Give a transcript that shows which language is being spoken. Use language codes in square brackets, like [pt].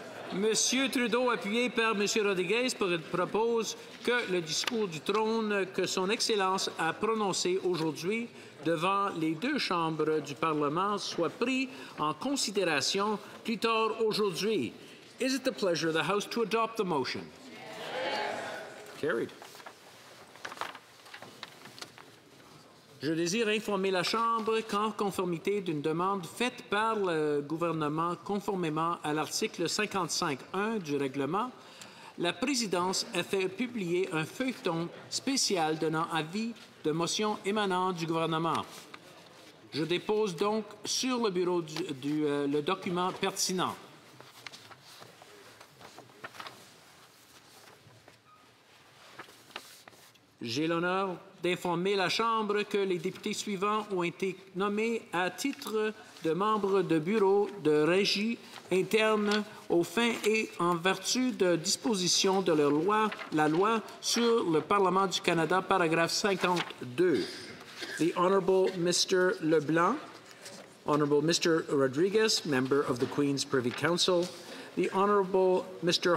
[fr] Monsieur Trudeau, appuyé par Monsieur Rodriguez, propose que le discours du trône que Son Excellence a prononcé aujourd'hui devant les deux chambres du Parlement soit pris en considération plus tard aujourd'hui. [en] Is it the pleasure of the House to adopt the motion? Yes. Carried. [fr] Je désire informer la Chambre qu'en conformité d'une demande faite par le gouvernement conformément à l'article 55.1 du règlement, la présidence a fait publier un feuilleton spécial donnant avis de motions émanant du gouvernement. Je dépose donc sur le bureau le document pertinent. J'ai l'honneur d'informer la Chambre que les députés suivants ont été nommés à titre de membres de bureau de régie interne aux fins et en vertu de dispositions de leur loi, la loi sur le Parlement du Canada, paragraphe 52. [en] The Honourable Mr. Leblanc, Honourable Mr. Rodriguez, member of the Queen's Privy Council, the Honourable Mr.